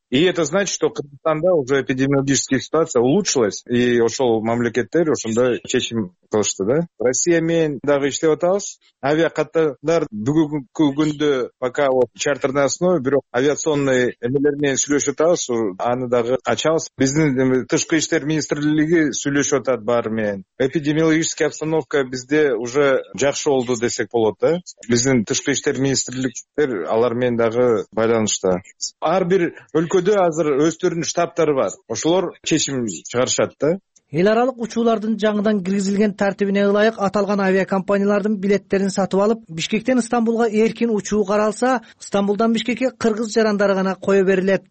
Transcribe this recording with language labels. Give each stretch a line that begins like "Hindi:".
Russian: И это значит, что в Кыргызстанда уже эпидемиологическая ситуация улучшилась, и
Kyrgyz: ошол мамлекеттер ошондой чечим кылышты, да? Россия менен дагы иштеп атабыз. Авиакаттамдар бүгүнкү күндө
Russian: пока вот чартерная основа,
Kyrgyz: бирок авиационный эмелер менен сүйлөшүп атабыз, аны дагы ачабыз. Биздин тышкы иштер министрлиги сүйлөшүп атат баары менен.
Russian: Эпидемиологическая обстановка
Kyrgyz: бизде уже жакшы болду десек болот, да? Биздин тышкы иштер министрликтер алар менен дагы байланышта. Ар бир өлкөдө азыр өздөрүнүн штабтары бар. Ошолор чечим чыгарышат да. Эл аралык учуулардын жаңыдан киргизилген тартибине ылайык аталган авиакомпаниялардын билеттерин сатып алып, Бишкектен Стамбулга эркин учуу каралса, Стамбулдан Бишкекке кыргыз жарандары гана кое берилет.